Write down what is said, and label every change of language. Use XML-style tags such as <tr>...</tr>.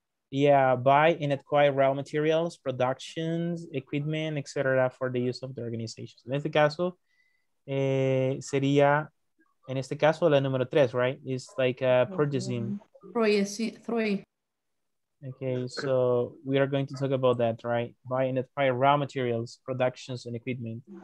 <en>Yeah, buy and acquire raw materials, productions, equipment, etc. for the use of the organizations.</en> <es>En este caso, sería, en este caso, la número tres,</es> <en>right? It's like purchasing. Three. Okay, so we are going to talk about that, right? Buy and acquire raw materials, productions, and equipment.</en>